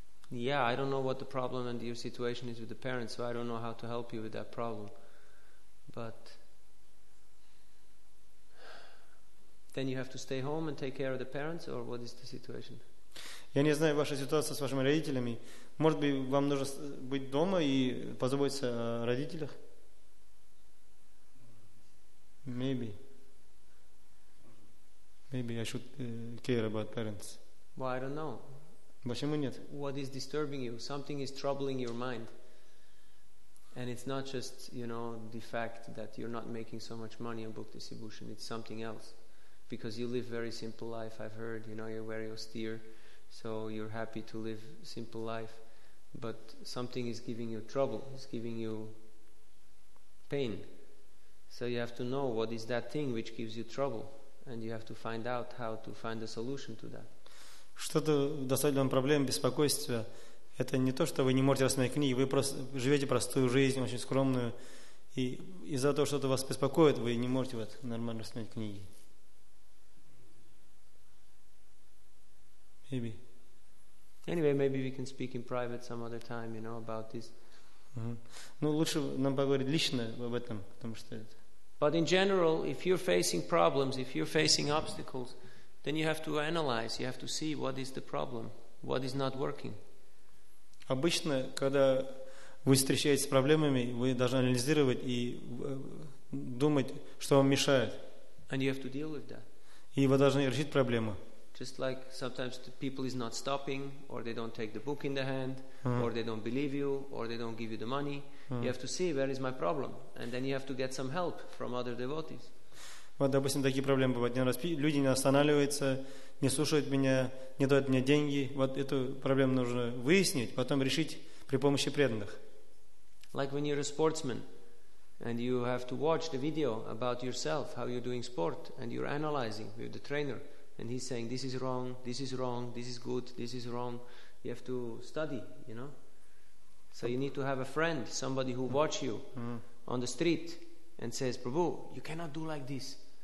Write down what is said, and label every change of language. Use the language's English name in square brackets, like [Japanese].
[English] Yeah, I don't know what the problem and your situation is with the parents, so I don't know how to help you with that problem. But then you have to stay home and take care of the parents, or what is the situation? [Russian] Я не знаю ваша ситуация с вашими родителями. Может быть, вам нужно быть дома и позаботиться о родителях? [English] Maybe I should care about parents. Well, I don't know. [Russian] Почему нет? [English] What is disturbing you? Something is troubling your mind. And it's not just, you know, the fact that you're not making so much money on book distribution. It's something else. Because you live very simple life, I've heard. You know, you're very austere. So you're happy to live simple life, but something is giving you trouble, is giving you pain. So you have to know what is that thing which gives you trouble, and you have to find out how to find a solution to that. [Russian] Что-то доставляет вам проблемы, беспокойство, Это не то, что вы не можете рассмотреть книги, вы просто живете простую жизнь, очень скромную, и из-за того, что-то вас беспокоит, вы не можете вот нормально рассмотреть книги. [English] Maybe. Anyway, maybe we can speak in private some other time, you know, about this. [Russian] Ну, лучше нам поговорить лично об этом, потому что это... [English] But in general, if you're facing problems, if you're facing obstacles, then you have to analyze, you have to see what is the problem, what is not working. [Russian] Обычно, когда вы встречаетесь с проблемами, вы должны анализировать и думать, что вам мешает. [English] And you have to deal with that. [Russian] И вы должны решить проблему. [English] Just like sometimes the people is not stopping, or they don't take the book in the hand, or they don't believe you, or they don't give you the money. You have to see where is my problem, and then you have to get some help from other devotees. [Russian] Вот, допустим, такие проблемы бывают. Один раз люди не останавливаются, не слушают меня, не дают мне деньги. Вот эту проблему нужно выяснить, потом решить при помощи преданных. [English] Like when you're a sportsman, and you have to watch the video about yourself, how you're doing sport, and you're analyzing with the trainer. And he's saying, this is wrong, this is wrong, this is good, this is wrong. You have to study, you know. So you need to have a friend, somebody who watch you on the street and says, Prabhu, you cannot do like this.